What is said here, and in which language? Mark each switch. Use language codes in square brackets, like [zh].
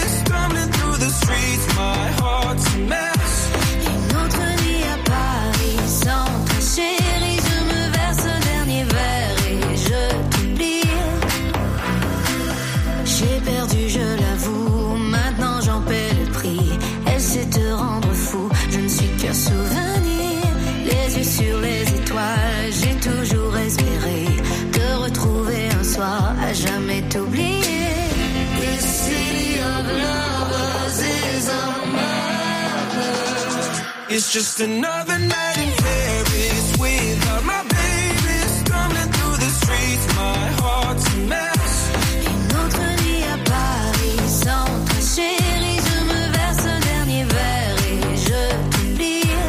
[en] Stumbling through the streets, my heart's a mess. [fr] Une autre nuit à Paris sans ta chérie. Je me verse un dernier verre et je t'oublie. J'ai perdu, je l'avoue. Maintenant j'en paie le prix. Elle sait te rendre fou. Je ne suis qu'un souvenir. Les yeux sur les étoiles, j'ai toujours espéré te retrouver. À jamais t'oublier. [en] The city of lovers is a murder. It's just another night in Paris without my baby. Stumbling through the streets, my heart's a mess. [fr] Une autre nuit à Paris sans ta chérie. Je me verse un dernier verre et je t'oublie.